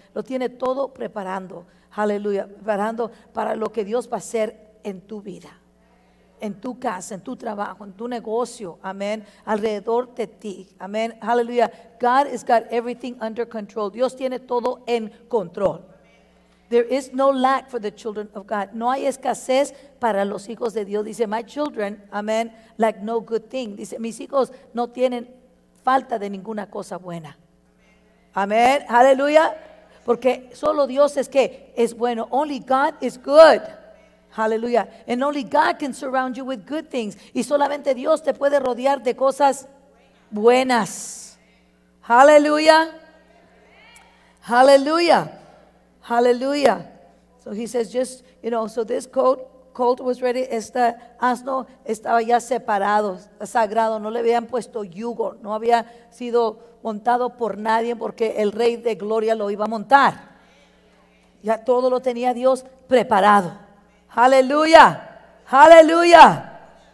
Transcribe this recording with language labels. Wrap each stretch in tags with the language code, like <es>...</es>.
<es>Lo tiene todo preparando, hallelujah, preparando para lo que Dios va a hacer en tu vida, en tu casa, en tu trabajo, en tu negocio, amén, alrededor de ti, amén, hallelujah.</es> <en>God has got everything under control.</en> <es>Dios tiene todo en control.</es> <en>There is no lack for the children of God.</en> <es>No hay escasez para los hijos de Dios. Dice,</es> <en>my children,</en> <es>amén,</es> <en>like no good thing.</en> <es>Dice, mis hijos no tienen falta de ninguna cosa buena. Amén, hallelujah. Porque solo Dios es que es bueno.</es> <en>Only God is good.</en> <es>Hallelujah.</es> <en>And only God can surround you with good things.</en> <es>Y solamente Dios te puede rodear de cosas buenas. Hallelujah. Hallelujah. Hallelujah.</es> <en>So he says, just, you know, so this colt was ready.</en> <es>Este asno estaba ya separado, sagrado. No le habían puesto yugo. No había sido montado por nadie porque el Rey de Gloria lo iba a montar. Ya todo lo tenía Dios preparado. Aleluya, aleluya.</es>